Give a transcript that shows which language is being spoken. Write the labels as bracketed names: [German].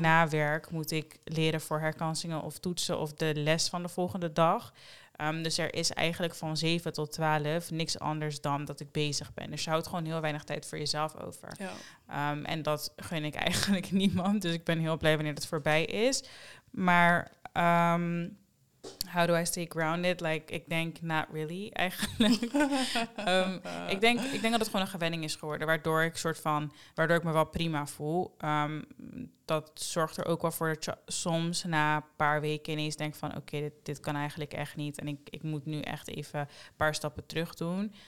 [Dutch] na werk moet ik leren voor herkansingen of toetsen of de les van de volgende dag. Dus er is eigenlijk van 7 tot 12 niks anders dan dat ik bezig ben. Dus je houdt gewoon heel weinig tijd voor jezelf over. Ja. En dat gun ik eigenlijk niemand. Dus ik ben heel blij wanneer dat voorbij is. Maar [English] how do I stay grounded? [Dutch] Like, ik denk, [English] not really, [Dutch] eigenlijk. ik denk dat het gewoon een gewenning is geworden. Waardoor ik me wel prima voel. Dat zorgt er ook wel voor dat je soms na een paar weken ineens denkt van... Oké, dit kan eigenlijk echt niet. En ik moet nu echt even een paar stappen terug doen.